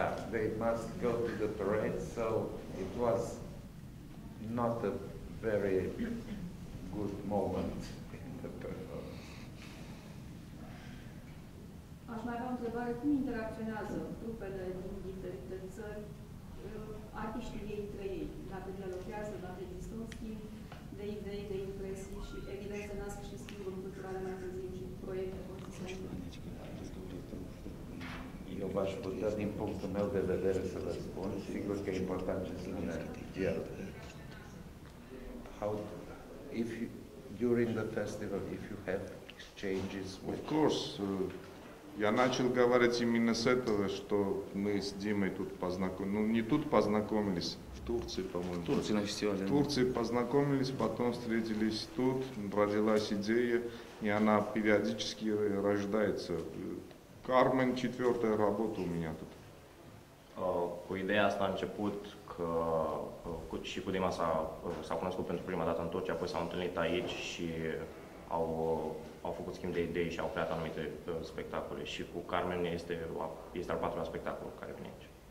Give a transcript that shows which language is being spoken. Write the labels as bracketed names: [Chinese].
[English] they must go to the parade, so it was not a very good moment in the performance. [Romanian] Aș mai avea o întrebare. Cum interacționează trupele din diferite țări, artiștii ei între ei? Dacă dialoguează, dacă există un schimb de idei, de impresii și evident se nasc și schimburi culturale mai târziu și proiecte consistente? Eu v-aș putea, din punctul meu de vedere, să vă spun. Sigur că e important ce spune el. [English] How to, if you, during the festival, if you have exchanges with... Of course. [Russian] Я начал говорить именно с этого, что мы с Димой тут познакомились. Ну, не тут познакомились, в Турции, по-моему. В Турции на фестивале. В Турции познакомились, потом встретились тут, родилась идея, и она периодически рождается. Кармен, четвертая работа у меня тут. [Romanian] Cu ideea asta a început, că și cu Dima s-a cunoscut pentru prima dată în Turcia, apoi s-au întâlnit aici și au făcut schimb de idei și au creat anumite spectacole. Și cu Carmen este al patrulea spectacol care vine aici.